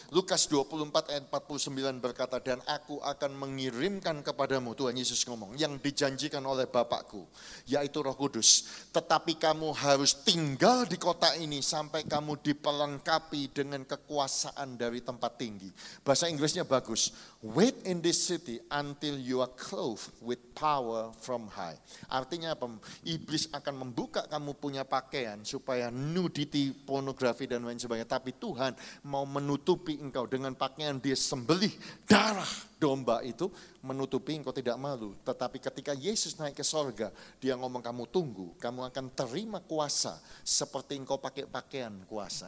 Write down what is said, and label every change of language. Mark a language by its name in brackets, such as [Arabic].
[Indonesian] Lukas 24 ayat 49 berkata, dan aku akan mengirimkan kepadamu, Tuhan Yesus ngomong, yang dijanjikan oleh Bapakku, yaitu Roh Kudus. Tetapi kamu harus tinggal di kota ini sampai kamu diperlengkapi dengan kekuasaan dari tempat tinggi. Bahasa Inggrisnya bagus. [English] Wait in this city until you are clothed with power from high. [Indonesian] Artinya apa? Iblis akan membuka kamu punya pakaian supaya nudity, pornografi dan lain sebagainya. Tapi Tuhan mau menutupi engkau dengan pakaian dia sembelih, darah domba itu menutupi engkau tidak malu. Tetapi ketika Yesus naik ke sorga, dia ngomong kamu tunggu, kamu akan terima kuasa seperti engkau pakai pakaian kuasa.